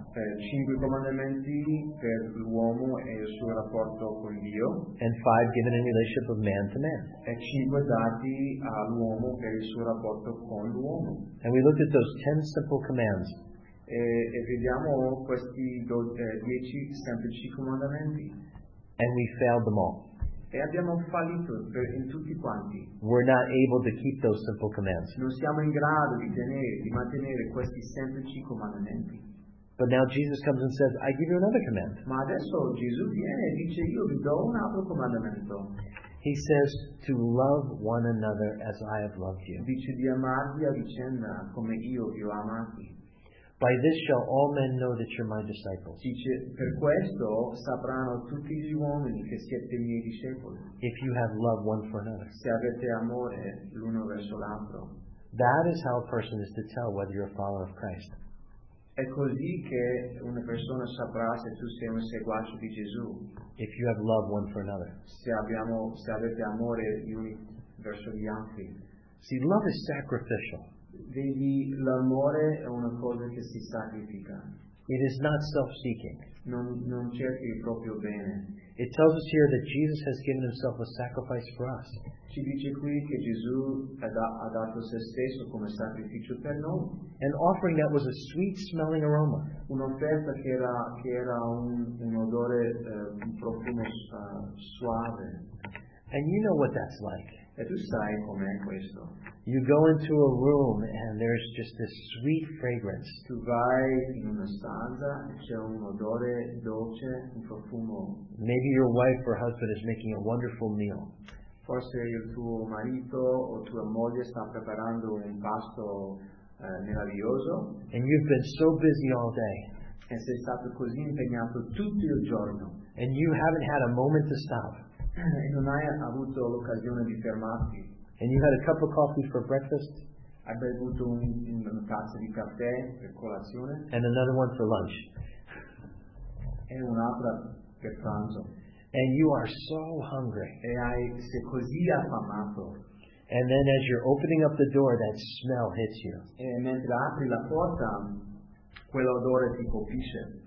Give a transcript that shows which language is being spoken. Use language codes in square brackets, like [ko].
[it] 5 comandamenti per l'uomo e il suo rapporto con Dio. [en] And 5 given in relationship of man to man. [it] E 5 dati all'uomo e il suo rapporto con l'uomo. [en] And we looked at those 10 simple commands. [it] E vediamo questi 10 semplici comandamenti. [en] And we failed them all. [it] E abbiamo fallito in tutti quanti. [en] We're not able to keep those simple commands. [it] Non siamo in grado di mantenere questi semplici comandamenti. [en] But now Jesus comes and says, I give you another command. [it] Ma adesso Gesù viene e dice, io vi do un altro comandamento. [en] He says, to love one another as I have loved you. [it] Dice di amarvi a vicenda come io vi ho amati. [en] By this shall all men know that you're my disciples. [it] Dice, per questo sapranno tutti gli uomini che siete miei discepoli. [en] If you have love one for another. [it] Se avete amore l'uno verso l'altro. [en] That is how a person is to tell whether you're a follower of Christ. [it] È così che una persona saprà se tu sei un seguace di Gesù. [en] If you have love one for another. [it] Se avete amore l'uno verso gli altri. [en] See, love is sacrificial. [it] Vedi, l'amore è una cosa che si sacrifica. [en] It is not self-seeking. [it] Non cerchi il proprio bene. [en] It tells us here that Jesus has given himself a sacrifice for us. [it] Ci dice qui che Gesù ha dato se stesso come sacrificio per noi. [en] An offering that was a sweet-smelling aroma. [it] Un'offerta che era un odore un profumo suave. [en] And you know what that's like. [it] E tu sai com'è questo. [en] You go into a room and there's just this sweet fragrance. [it] Tu vai in una stanza e c'è un odore dolce, un profumo. [en] Maybe your wife or husband is making a wonderful meal. [it] Forse il tuo marito o tua moglie sta preparando un pasto meraviglioso. [en] And you've been so busy all day. [it] E sei stato così impegnato tutto il giorno. [en] And you haven't had a moment to stop. [it] E non hai avuto l'occasione di fermarti. [en] And you had a cup of coffee for breakfast. [it] Hai bevuto una tazza di caffè per colazione. [en] And another one for lunch. [it] E un'altra per pranzo. [en] And you are so hungry. [it] E hai sei così affamato. [en] And then as you're opening up the door, that smell hits you. [it] E mentre apri la porta, quell'odore ti colpisce.